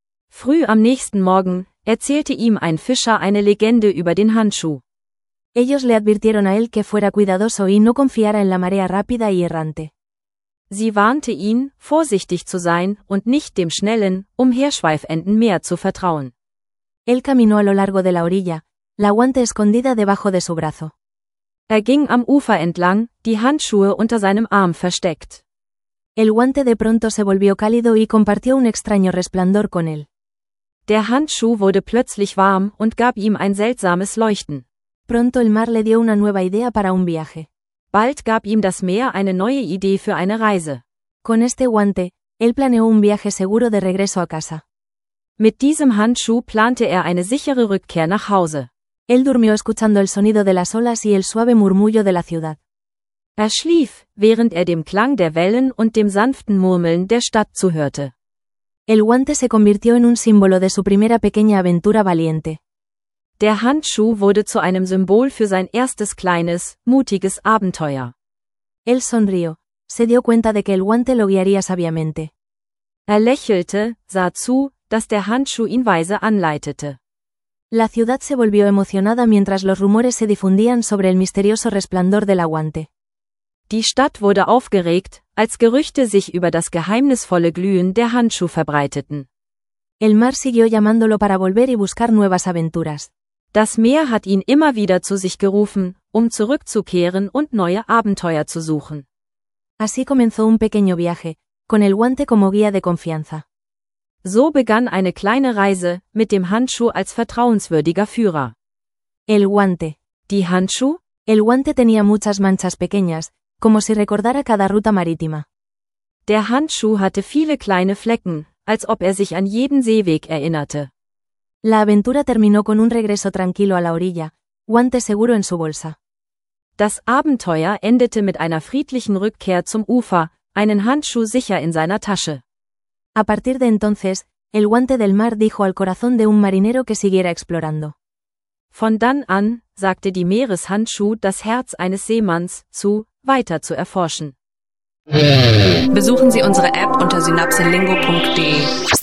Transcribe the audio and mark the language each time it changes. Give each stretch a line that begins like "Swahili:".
German: Früh am nächsten Morgen erzählte ihm ein Fischer eine Legende über den Handschuh.
Spanish: Ellos le advirtieron a él que fuera cuidadoso y no confiara en la marea rápida y errante.
German: Sie warnte ihn, vorsichtig zu sein und nicht dem schnellen, umherschweifenden Meer zu vertrauen.
Spanish: Él caminó a lo largo de la orilla, la guante escondida debajo de su brazo.
German: Er ging am Ufer entlang, die Handschuhe unter seinem Arm versteckt.
Spanish: El guante de pronto se volvió cálido y compartió un extraño resplandor con él.
German: Der Handschuh wurde plötzlich warm und gab ihm ein seltsames Leuchten.
Spanish: Pronto el mar le dio una nueva idea para un viaje.
German: Bald gab ihm das Meer eine neue Idee für eine Reise.
Spanish: Con este guante, él planeó un viaje seguro de regreso a casa.
German: Mit diesem Handschuh plante er eine sichere Rückkehr nach Hause.
Spanish: Él durmió escuchando el sonido de las olas y el suave murmullo de la ciudad.
German: Er schlief, während er dem Klang der Wellen und dem sanften Murmeln der Stadt zuhörte.
Spanish: El guante se convirtió en un símbolo de su primera pequeña aventura valiente.
German: Der Handschuh wurde zu einem Symbol für sein erstes kleines, mutiges Abenteuer.
Spanish: Él sonrió, se dio cuenta de que el guante lo guiaría sabiamente.
German: Er lächelte, sah zu, dass der Handschuh ihn weise anleitete.
Spanish: La ciudad se volvió emocionada mientras los rumores se difundían sobre el misterioso resplandor del aguante.
German: Die Stadt wurde aufgeregt, als Gerüchte sich über das geheimnisvolle Glühen der Handschuh verbreiteten.
Spanish: El mar siguió llamándolo para volver y buscar nuevas aventuras.
German: Das Meer hat ihn immer wieder zu sich gerufen, um zurückzukehren und neue Abenteuer zu suchen.
Spanish: Así comenzó un pequeño viaje, con el guante como guía de confianza.
German: So begann eine kleine Reise mit dem Handschuh als vertrauenswürdiger Führer.
Spanish: El guante.
German: Die Handschuh?
Spanish: El guante tenía muchas manchas pequeñas, como si recordara cada ruta marítima.
German: Der Handschuh hatte viele kleine Flecken, als ob er sich an jeden Seeweg erinnerte.
Spanish: La aventura terminó con un regreso tranquilo a la orilla, guante seguro en su bolsa.
German: Das Abenteuer endete mit einer friedlichen Rückkehr zum Ufer, einen Handschuh sicher in seiner Tasche.
Spanish: A partir de entonces, el guante del mar dijo al corazón de un marinero que siguiera explorando.
German: Von dann an, sagte die Meereshandschuh das Herz eines Seemanns zu, weiter zu erforschen. Besuchen Sie unsere App unter synapselingo.de.